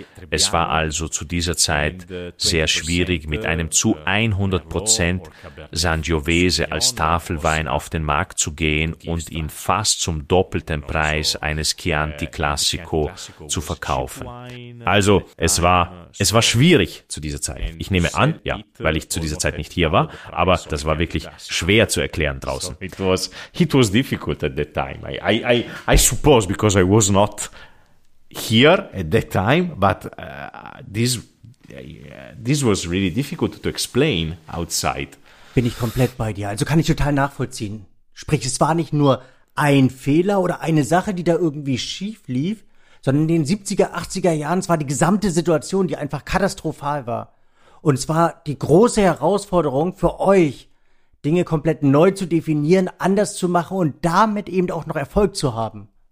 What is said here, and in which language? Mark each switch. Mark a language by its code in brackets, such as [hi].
[de] Es war also zu dieser Zeit sehr schwierig, mit einem zu 100% Sangiovese als Tafelwein auf den Markt zu gehen und ihn fast zum doppelten Preis eines Chianti Classico zu verkaufen. Also, es war schwierig zu dieser Zeit. Ich nehme an, ja, weil ich zu dieser Zeit nicht hier war, aber das war wirklich schwer zu erklären draußen. [en] It was difficult at that time. I suppose because I was not here at that time, but this was really difficult to explain outside. [de] Bin ich komplett bei dir. Also kann ich total nachvollziehen. Sprich, es war nicht nur ein Fehler oder eine Sache, die da irgendwie schief lief, sondern in den 70er, 80er Jahren, es war die gesamte Situation, die einfach katastrophal war. Und zwar die große Herausforderung für euch, Dinge komplett neu zu definieren, anders zu machen und damit eben auch noch Erfolg zu haben.